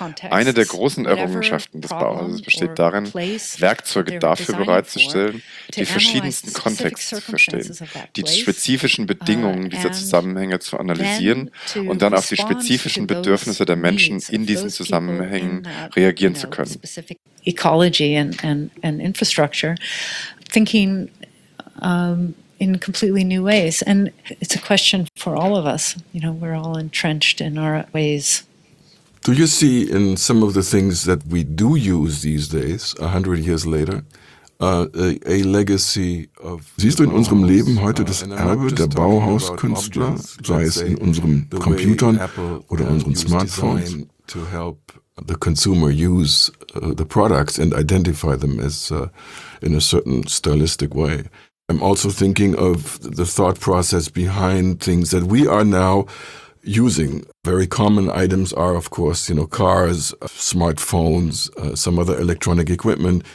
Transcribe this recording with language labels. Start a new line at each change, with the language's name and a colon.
German: Eine der großen Errungenschaften des Bauhauses besteht darin, Werkzeuge dafür bereitzustellen, die verschiedensten Kontext zu verstehen, die spezifischen Bedingungen dieser Zusammenhänge zu analysieren und dann auf die spezifischen Bedürfnisse der Menschen in diesen Zusammenhängen reagieren zu können.
English: Ecology and infrastructure, thinking in completely new ways. And it's a question for all of us. You know, we're all entrenched in our ways. Do you see in some of the things that we do use these days, 100 years later, a legacy of
German: siehst du in unserem Leben heute das Erbe der Bauhauskünstler, sei es in unseren Computern oder unseren Smartphones,
English: to help the consumer use the products and identify them as in a certain stylistic way? I'm also thinking of the thought process behind things that we are now using. Very common items are, of course, you know, cars, smartphones, some other electronic equipment.